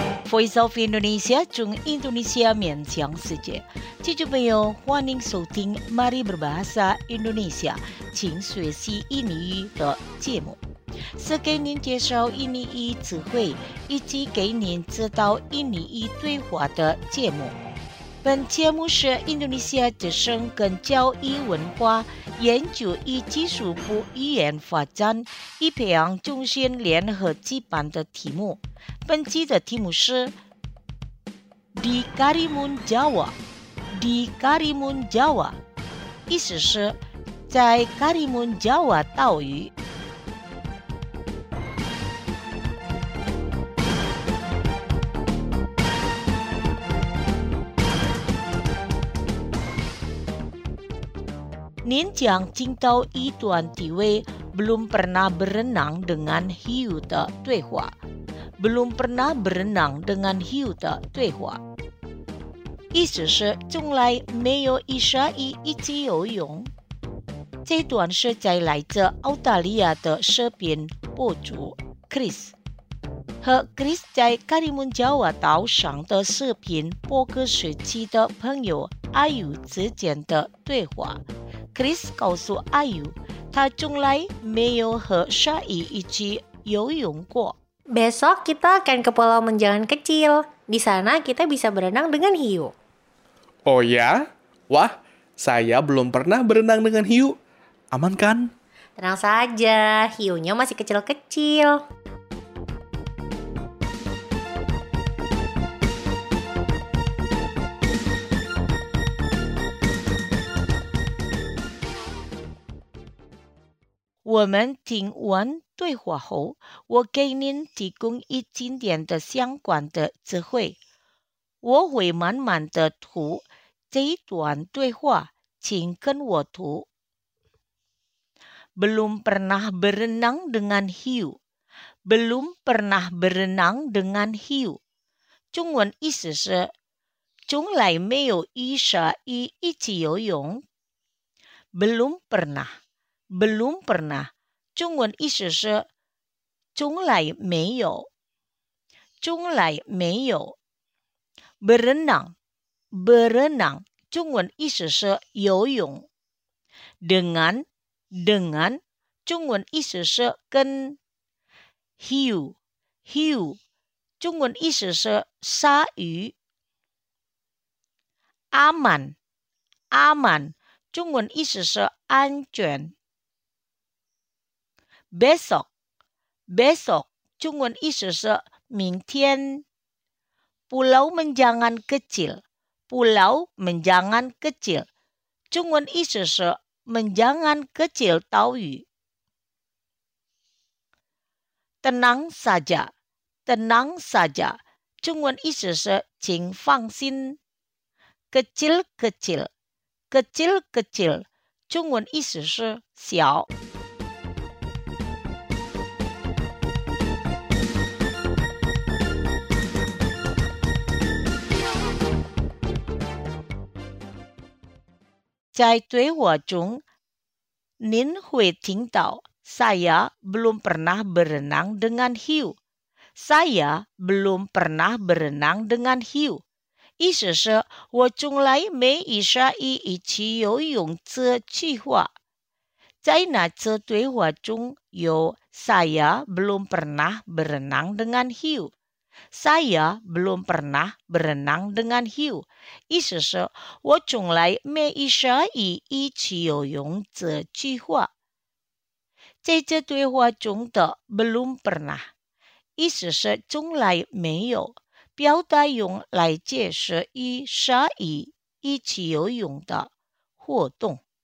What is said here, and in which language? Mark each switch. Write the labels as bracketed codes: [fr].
[zh] Voice of Indonesia 中印度尼西亚面向世界，听众朋友，欢迎收听《Mari Berbahasa Indonesia》，请学习印尼语的节目，是给您介绍印尼语词汇以及给您指导印尼语对话的节目。本节目是印度尼西亚之声跟教育文化研究与技术部语言发展与培养中心联合举办的题目。本期的题目是 Di Karimun Jawa， Di Karimun Jawa， 意思是在 Karimun Jawa 岛屿。您将听到一段题为 [id] Belum pernah berenang dengan hiu [zh] 的对话。 [id] Belum pernah berenang dengan hiu [zh] 的对话，意思是从来没有一鲨鱼一起游泳。这段是在来自澳大利亚的视频博主 Chris 和 Chris 在卡里蒙加瓦岛上的视频播客时期的朋友阿尤之间的对话。 Chris 告诉阿尤，他从来没有和鲨鱼一起游泳过。 [id] Besok kita akan ke Pulau Menjangan Kecil. Di sana kita bisa berenang dengan hiu. Oh ya? Wah, saya belum pernah berenang dengan hiu. Aman kan? Tenang saja, hiunya masih kecil-kecil. [zh] Woman 对话后，我给您提供一经典的相关的词汇。我会慢慢的读这一段对话，请跟我读。 [id] Belum pernah berenang dengan hiu. Belum pernah berenang dengan hiu. [zh] 中文意思是，从来没有与鲨鱼一起游泳。 [id] Belum pernah. Belum pernah. [zh] 中文意思是从来没有，从来没有。 berenang， berenang， 中文意思是游泳。 dengan， dengan， 中文意思是跟。 hiu， hiu， 中文意思是鲨鱼。 aman， aman， 中文意思是安全。 Besok, besok, 中文意思是明天。 Pulau Menjangan Kecil, Pulau Menjangan Kecil, 中文意思是Menjangan Kecil 岛屿。 [id] Tenang saja, tenang saja, [zh] 中文意思是请放心。 Kecil, kecil, kecil, kecil, 中文意思是小。在对话中，您会听到 [id] saya belum pernah berenang dengan hiu. Saya belum pernah berenang dengan hiu. [zh] 意思是我从来没与鲨鱼一起游泳这句话。在那次对话中有 [id] saya belum pernah berenang dengan hiu. Saya belum pernah berenang dengan hiu. [zh] 意思是, 我从来没意识以一起游泳这句话。在这对话中的 belum pernah, 意思是从来没有, 表达用来解释一起游泳的活动。